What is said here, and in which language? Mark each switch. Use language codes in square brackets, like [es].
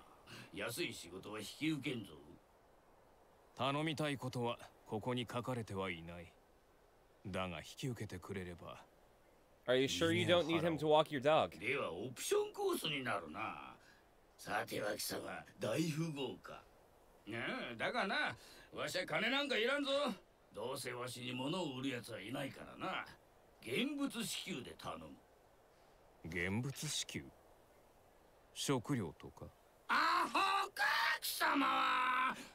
[ja] なんだ貴様は君に頼みたいことがある。仕事の依頼か。じゃあそこから選べ。スーパーハイエレクトロよろずや。Aコース、アキカン回収、Bコース、犬の散歩、Cコース。言っておくが、わしはプロだからな。安い仕事は引き受けんぞ。頼みたいことはここに書かれてはいない。だが引き受けてくれれば。 [en] Are you sure you don't need him to walk your dog? [ja] ではオプションコースになるな。さては貴様、大富豪か。だがな、わしは金なんかいらんぞ。どうせわしに物を売るやつはいないからな。現物支給で頼む。現物支給？食料とか？アホか貴様は。